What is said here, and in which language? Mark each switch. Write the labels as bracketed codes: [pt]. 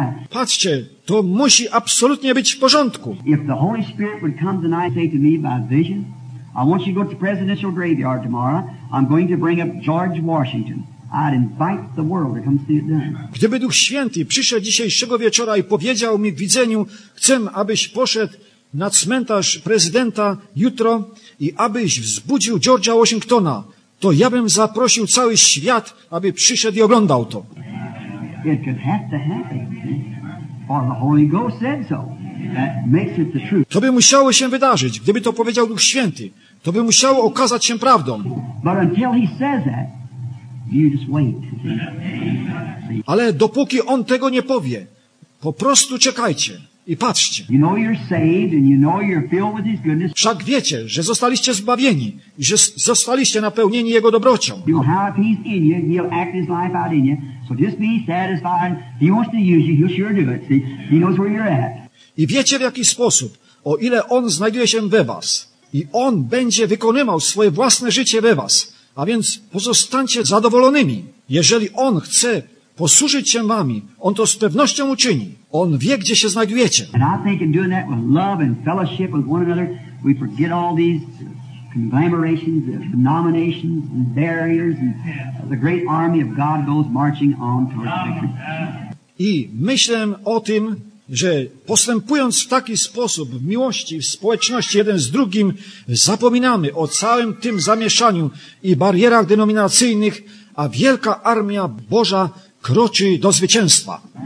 [pl] Patrzcie, to musi absolutnie być w porządku. [en] If the Holy Spirit would come tonight, say to me by vision, I want you to go to the presidential graveyard tomorrow. I'm going to bring up George Washington. I'd invite the world to come see it done. [pl] Gdyby Duch Święty przyszedł dzisiejszego wieczora i powiedział mi w widzeniu, chcę, abyś poszedł na cmentarz prezydenta jutro i abyś wzbudził George'a Washingtona, to ja bym zaprosił cały świat, aby przyszedł i oglądał to. [en] It could have to happen. For the Holy Ghost said so. That makes it the truth. [pl] To by musiało się wydarzyć, gdyby to powiedział Duch Święty. To by musiało okazać się prawdą. [en] But until he says that, you just wait. [pl] Ale dopóki on tego nie powie, po prostu czekajcie i patrzcie. [en] You know you're saved and you know you're filled with his goodness. [pl] Wszak wiecie, że zostaliście zbawieni i że zostaliście napełnieni jego dobrocią. [en] You know how if he's in you, he'll act his life out in you. So just be satisfied. He wants to use you, he'll sure do it. See? He knows where you're at. [pl] I wiecie, w jaki sposób, o ile on znajduje się we was i on będzie wykonywał swoje własne życie we was. A więc pozostańcie zadowolonymi. Jeżeli on chce posłużyć się wami, on to z pewnością uczyni. On wie, gdzie się znajdujecie. [en] And I think in doing that with love and fellowship with one another, we forget all these conglomerations, denominations, and barriers, and the great army of God goes marching on towards victory. [pl] I myślę o tym, że postępując w taki sposób w miłości, w społeczności jeden z drugim, zapominamy o całym tym zamieszaniu i barierach denominacyjnych, a wielka armia Boża kroczy do zwycięstwa.